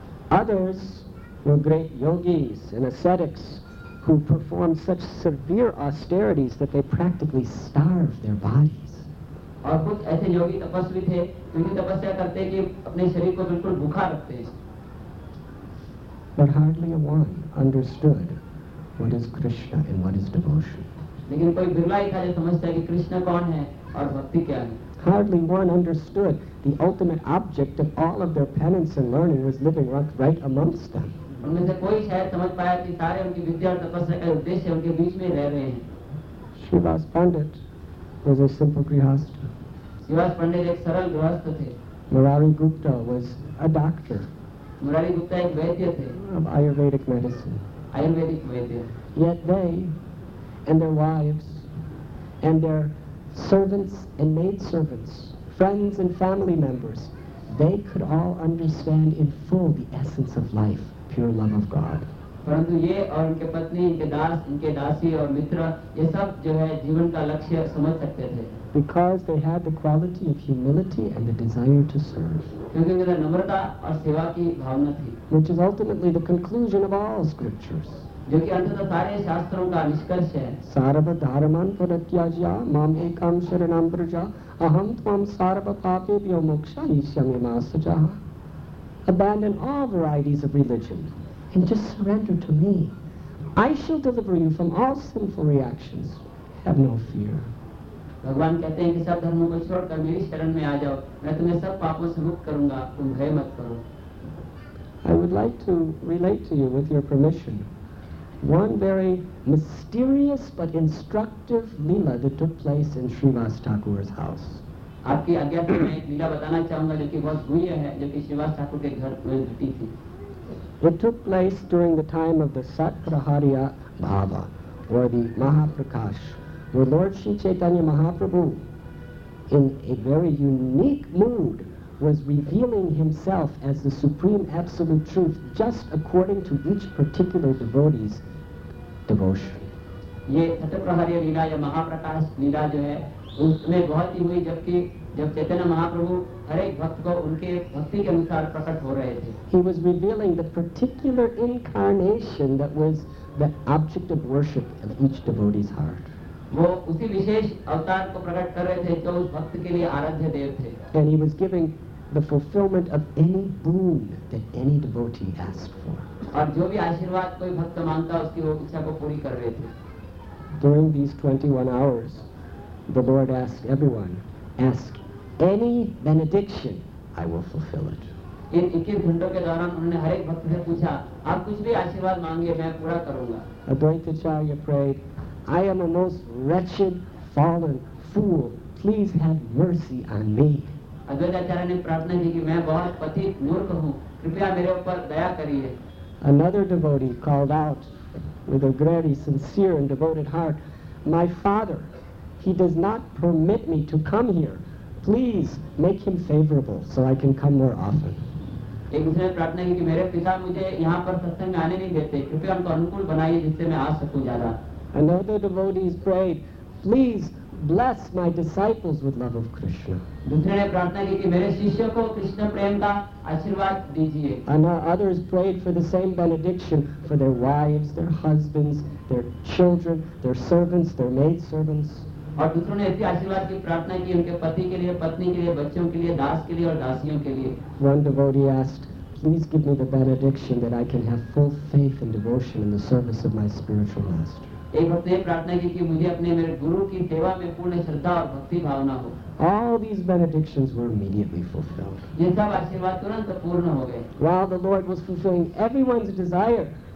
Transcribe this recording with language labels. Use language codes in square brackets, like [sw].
[en] Others were great yogis and ascetics who performed such severe austerities that they practically starved their bodies. [hi] और कुछ ऐसे योगी तपस्वी थे जिन्हें तपस्या करते कि अपने शरीर को बिल्कुल भूखा रखते. [en] But hardly a one understood what is Krishna and what is devotion. [hi] लेकिन कोई बिरला ही था जो समझता कि कृष्ण कौन है और भक्ति क्या है. [en] Hardly one understood the ultimate object of all of their penance and learning was living right amongst them. [hi] उनमें से कोई शायद समझ पाया कि सारे उनकी विद्या और तपस्या का उद्देश्य उनके बीच में रह रहे हैं. [en] Srivas Pandit was a simple grihastha. [hi] Srivas Pandit एक सरल गृहस्थ थे. [en] Murari Gupta was a doctor. [hi] Murari Gupta एक वैद्य थे. [en] Of Ayurvedic medicine. [hi] Ayurvedic Vaidya. [en] Yet they and their wives and their servants and maidservants, friends and family members, they could all understand in full the essence of life, pure love of God. [hi] परंतु ये और उनके पत्नी, इनके दास, इनके दासी और मित्र, ये सब जो है जीवन का लक्ष्य समझ सकते थे. [en] Because they had the quality of humility and the desire to serve. [hi] क्योंकि उनके नम्रता और सेवा की भावना थी. [en] Which is ultimately the conclusion of all scriptures. [hi] जो कि अंततः सारे शास्त्रों का निष्कर्ष है. [sa] सर्व धर्मान् परित्यज्य माम एकां शरणं व्रज अहं त्वं सर्व पापेभ्यो मोक्षयिष्यामि मा सजा. [en] Abandon all varieties of religion and just surrender to me. I shall deliver you from all sinful reactions. Have no fear. [hi] भगवान कहते हैं कि सब धर्मों को छोड़कर मेरी शरण में आ जाओ, मैं तुम्हें सब पापों से मुक्त करूंगा, तुम भय मत करो. [en] I would like to relate to you, with your permission, one very mysterious but instructive leela that took place in Srivas Thakur's house. [hi] आपकी आज्ञा से मैं एक लीला बताना चाहूंगा जो कि बहुत गुह्य है, जो कि श्रीवास ठाकुर के घर में घटी थी. [en] It took place during the time of the Satprahariya Bhava or the Mahaprakash, where Lord Sri Chaitanya Mahaprabhu, in a very unique mood, was revealing himself as the Supreme Absolute Truth just according to each particular devotee's devotion. [hi] ये सत्प्रहरीय लीला या महाप्रकाश लीला जो है उसमें बहुत ही हुई, जबकि जब चैतन्य महाप्रभु हर एक भक्त को उनके भक्ति के अनुसार प्रकट हो रहे थे. [en] He was revealing the particular incarnation that was the object of worship of each devotee's heart. [hi] वो उसी विशेष अवतार को प्रकट कर रहे थे जो उस भक्त के लिए आराध्य देव थे. [en] And he was giving the fulfillment of any boon that any devotee asked for. [hi] और जो भी आशीर्वाद कोई भक्त मांगता उसकी वो इच्छा को पूरी कर रहे थे. [en] During these 21 hours, the Lord asked everyone, ask any benediction, I will fulfill it. [hi] इन 21 घंटों के दौरान उन्होंने हर एक भक्त से पूछा, आप कुछ भी आशीर्वाद मांगिए मैं पूरा करूंगा. [en] Advaita Acharya prayed, I am a most wretched, fallen fool. Please have mercy on me. [hi] Advaitacharya ने प्रार्थना की कि मैं बहुत पतित मूर्ख हूँ, कृपया मेरे ऊपर दया करिए। [en] Another devotee called out with a very sincere and devoted heart, "My father, he does not permit me to come here. Please make him favorable so I can come more often." [hi] एक दूसरे ने प्रार्थना की कि मेरे पिता मुझे यहाँ पर सत्संग में आने नहीं देते, कृपया हमको अनुकूल बनाइए जिससे मैं आ सकूँ ज्यादा। [en] Another devotee prayed, "Please bless my disciples with love of Krishna." [hi] दूसरे ने प्रार्थना की कि मेरे शिष्यों को कृष्ण प्रेम का आशीर्वाद दीजिए। [en] And others prayed for the same benediction for their wives, their husbands, their children, their servants, their maid servants. [hi] और दूसरों ने ऐसी आशीर्वाद की प्रार्थना की उनके पति के लिए, पत्नी के लिए, बच्चों के लिए, दास के लिए और दासियों के लिए। [en] One devotee asked, "Please give me the benediction that I can have full faith and devotion in the service of my spiritual master." [hi] एक अपने प्रार्थना की कि मुझे अपने मेरे गुरु की सेवा में पूर्ण श्रद्धा और भक्ति भावना हो। [en] All these benedictions were immediately fulfilled. [hi] ये सब आशीर्वाद तुरंत पूर्ण हो गए। [en] While the Lord was fulfilling everyone's desire,